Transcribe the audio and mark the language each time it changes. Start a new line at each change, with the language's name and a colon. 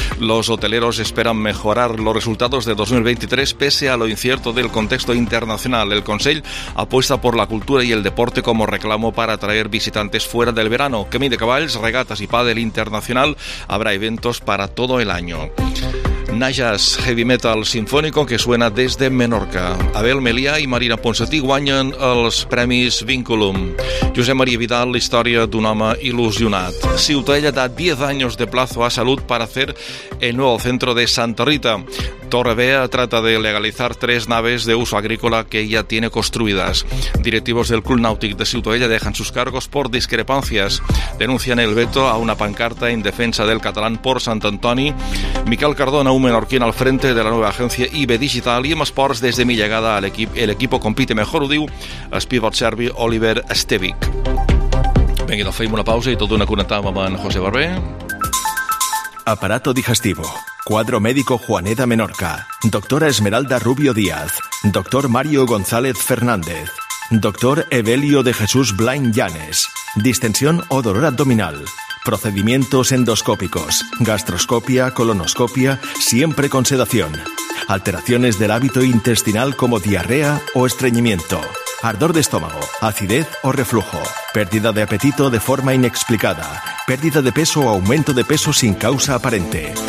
Spanish: Los hoteleros esperan mejorar los resultados de 2023 pese a lo incierto del contexto internacional. El Consejo apuesta por la cultura y el deporte como reclamo para atraer visitantes fuera del verano. Camí de cavalls, regatas y pádel internacional. Habrá eventos para todo el año. Najas, heavy metal sinfónico que suena desde Menorca.
Catalan: Abel Melià i Marina Ponsatí guanyen els Premis Vinculum. Josep Maria Vidal, la història d'un home il·lusionat.
Spanish: Ciutadella da 10 anys de plazo a Salut para hacer el nuevo centro de Santa Rita. Torrevea trata de legalizar 3 naves de uso agrícola que ya tiene construidas. Directivos del Club Náutic de Ciutadella dejan sus cargos por discrepancias. Denuncian el veto a una pancarta en defensa del catalán por Sant Antoni. Miquel Cardona, un menorquín al frente de la nueva agencia IB Digital. Y en esports, desde mi llegada al equipo, el equipo compite mejor,
Catalan: ho diu el pivot serbi Oliver Stevic. Vinga, doncs feim una pausa i tot d'una connectada amb en José Barber.
Spanish: Aparato digestivo. Cuadro médico Juaneda Menorca, doctora Esmeralda Rubio Díaz, doctor Mario González Fernández, doctor Evelio de Jesús Blain Llanes, distensión o dolor abdominal, procedimientos endoscópicos, gastroscopia, colonoscopia, siempre con sedación, alteraciones del hábito intestinal como diarrea o estreñimiento, ardor de estómago, acidez o reflujo, pérdida de apetito de forma inexplicada, pérdida de peso o aumento de peso sin causa aparente.